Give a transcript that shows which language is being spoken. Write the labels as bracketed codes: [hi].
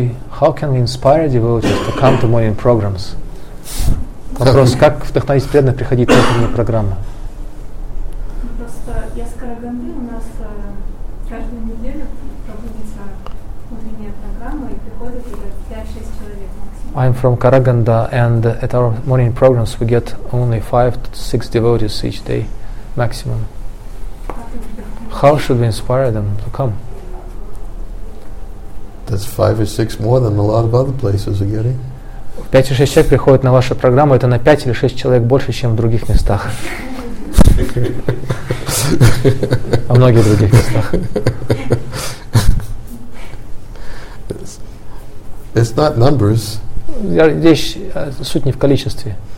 [en] How can we inspire devotees to come to morning programs? [ru] Вопрос, как вдохновить преданных приходить на утренние программы? Просто я с Караганды, у нас каждую неделю проводится утренняя программа и приходит 5-6 человек максимум. [en] I'm from Karaganda and at our morning programs we get only 5-6 devotees each day maximum. How should we inspire them to come? That's 5 or 6 more than a lot of other places are getting. [ru] 5 or 6 человек приходят на вашу программу, это на 5 или 6 человек больше, чем в других местах. А многих других местах. [en] It's not numbers. [ru] Здесь суть не в количестве.